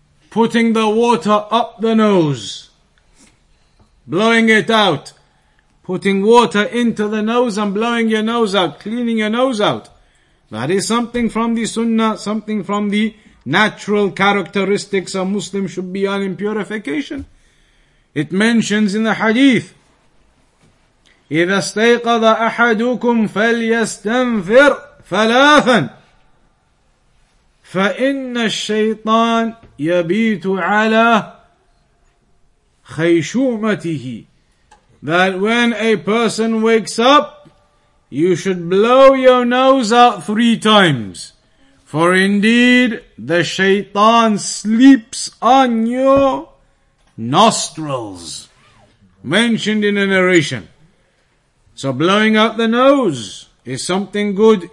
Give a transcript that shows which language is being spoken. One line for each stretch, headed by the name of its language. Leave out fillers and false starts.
English: Putting the water up the nose. Blowing it out. Putting water into the nose and blowing your nose out. Cleaning your nose out. That is something from the sunnah, something from the natural characteristics a Muslim should be on in purification.
Arabic: It mentions in the hadith, إِذَا اسْتَيْقَظَ أَحَدُكُمْ فَلْيَسْتَنْفِرْ ثَلَاثًا فَإِنَّ الشَّيْطَانَ يَبِيتُ عَلَى خَيْشُومَتِهِ.
English: That when a person wakes up, you should blow your nose out three times. For indeed, the shaitan sleeps on your nostrils. Mentioned in a narration. So blowing out the nose is something good.